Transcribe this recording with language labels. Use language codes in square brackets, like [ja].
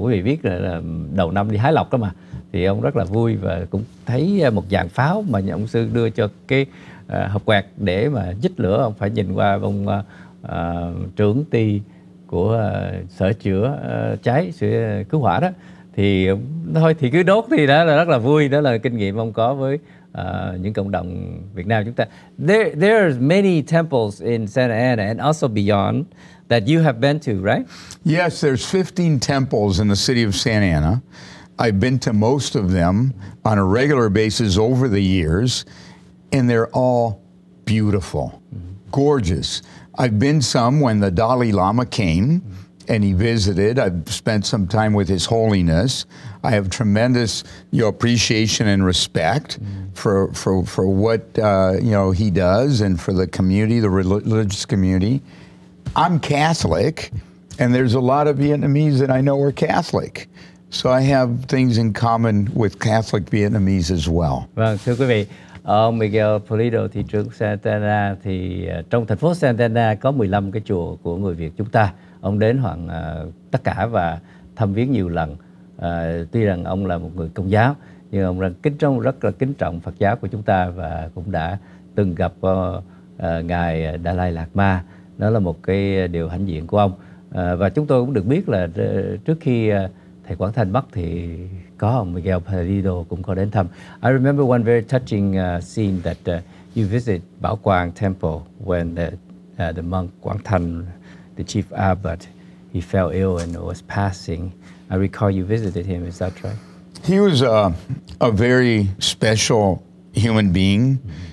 [vi] Quý vị biết là đầu năm đi hái lộc đó mà. Thì ông rất là vui và cũng thấy một dàn pháo mà nhà ông sư đưa cho cái hộp quạt để mà dích lửa. Ông phải nhìn qua ông trưởng ty của sở chữa cháy, sửa cứu hỏa đó. Thì thôi thì cứ đốt thì đó là rất là vui, đó là kinh nghiệm ông có với những cộng đồng Việt Nam chúng ta. [en] There are many temples in Santa Ana and also beyond that you have been to, right? Yes, there's 15 temples in the city of Santa Ana. I've been to most of them on a regular basis over the years, and they're all beautiful, gorgeous. I've been some when the Dalai Lama came. And he visited. I've spent some time with His Holiness. I have tremendous, you know, appreciation and respect for what you know, he does, and for the community, the religious community. I'm Catholic, and there's a lot of Vietnamese that I know are Catholic. So I have things in common with Catholic Vietnamese as well. [vi] Vâng, thưa quý vị, ông Miguel Pulido, thị trưởng Santa Ana, thì trong thành phố Santa Ana có 15 cái chùa của người Việt chúng ta. Ông đến hoàng tất cả và thăm viếng nhiều lần. Tuy rằng ông là một người Công giáo, nhưng ông rất là kính trọng Phật giáo của chúng ta và cũng đã từng gặp Ngài Dalai Lạt Ma. Đó là một cái điều hãnh diện của ông. Và chúng tôi cũng được biết là trước khi Thầy Quảng Thanh mất thì có ông Miguel Pulido cũng có đến thăm. [en] I remember one very touching scene that you visit Bảo Quang Temple when the monk Quảng Thanh, the chief abbot, he fell ill and was passing. I recall you visited him, is that right? He was a very special human being. Mm-hmm.